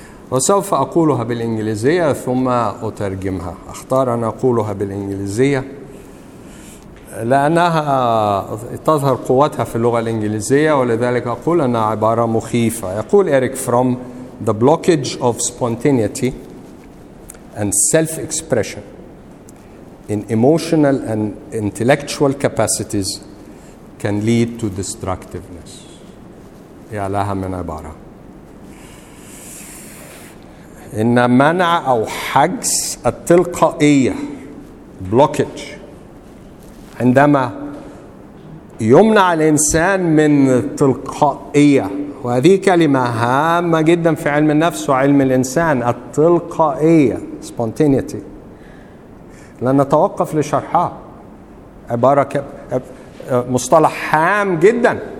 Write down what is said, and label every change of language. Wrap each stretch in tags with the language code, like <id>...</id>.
<ar>وسوف أقولها بالإنجليزية ثم أترجمها. أختار أن أقولها بالإنجليزية لأنها تظهر قوتها في اللغة الإنجليزية، ولذلك أقول أنها عبارة مخيفة. يقول</ar> <en>Erich Fromm: The blockage of spontaneity and self-expression in emotional and intellectual capacities can lead to destructiveness.</en> <ar>يا لها من عبارة. إن منع أو حجز التلقائية blockage عندما يمنع الإنسان من التلقائية، وهذه كلمة هامة جدا في علم النفس وعلم الإنسان، التلقائية spontaneity، لن نتوقف لشرحها، عبارة مصطلح هام جدا،</ar>